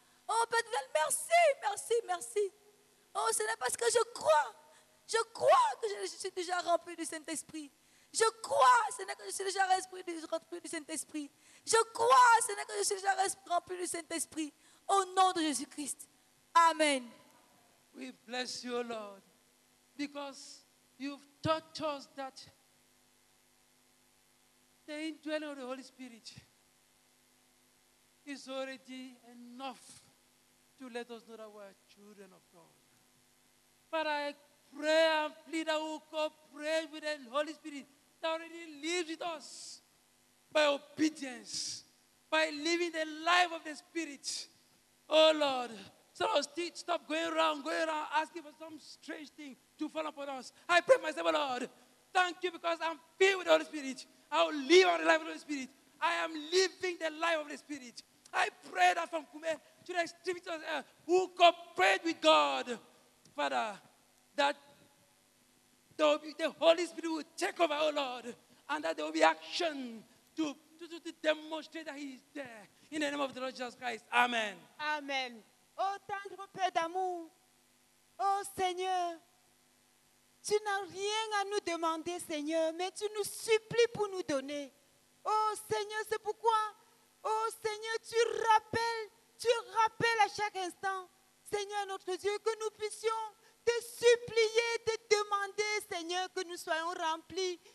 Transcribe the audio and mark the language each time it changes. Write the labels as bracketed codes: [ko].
[fr] Oh Père Seigneur, merci, merci, merci. Oh Seigneur, parce que je crois que je suis déjà rempli du Saint-Esprit. Je crois, Seigneur, que je suis déjà rempli du Saint-Esprit. Je crois, Seigneur, que je suis déjà rempli du Saint-Esprit. Au nom de Jésus-Christ. Amen. [en] We bless you, Lord, because you've taught us that the indwelling of the Holy Spirit is already enough to let us know that we are children of God. But I pray and plead that we will go pray with the Holy Spirit that already lives with us by obedience, by living the life of the Spirit. Oh Lord, stop going around asking for some strange thing to fall upon us. I pray myself, oh Lord, thank you because I'm filled with the Holy Spirit. I will live on the life of the Holy Spirit. I am living the life of the Spirit. I pray that from Kume to the extremity of the earth, who cooperate with God, Father, that there will be the Holy Spirit will take over, oh Lord, and that there will be action to demonstrate that He is there. In the name of the Lord Jesus Christ. Amen. Amen. [fr] Oh, tendre Père d'amour, oh Seigneur, tu n'as rien à nous demander, Seigneur, mais tu nous supplies pour nous donner. Oh Seigneur, c'est pourquoi, oh Seigneur, tu rappelles à chaque instant, Seigneur notre Dieu, que nous puissions te supplier, te demander, Seigneur, que nous soyons remplis.